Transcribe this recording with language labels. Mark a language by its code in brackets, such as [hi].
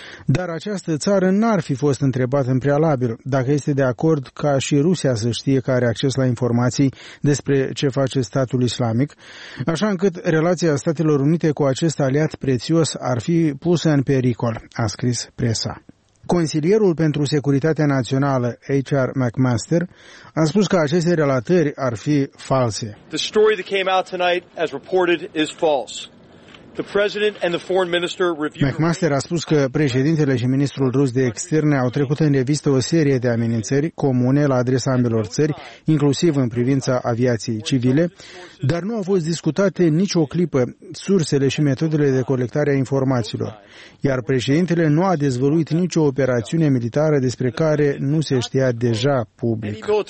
[ro] Dar această țară n-ar fi fost întrebată în prealabil dacă este de acord ca și Rusia să știe că are acces la informații despre ce face Statul Islamic, așa încât relația Statelor Unite cu acest aliat prețios ar fi pusă în pericol, a scris presa. Consilierul pentru Securitatea Națională, H.R. McMaster, a spus că aceste relatări ar fi false. [en] The story that came out tonight, as reported, is false. [ro] McMaster a spus că președintele și ministrul rus de externe au trecut în revistă o serie de amenințări comune la adresa ambelor țări, inclusiv în privința aviației civile, dar nu au fost discutate nici o clipă sursele și metodele de colectare a informațiilor, iar președintele nu a dezvăluit nicio operațiune militară despre care nu se știa deja public.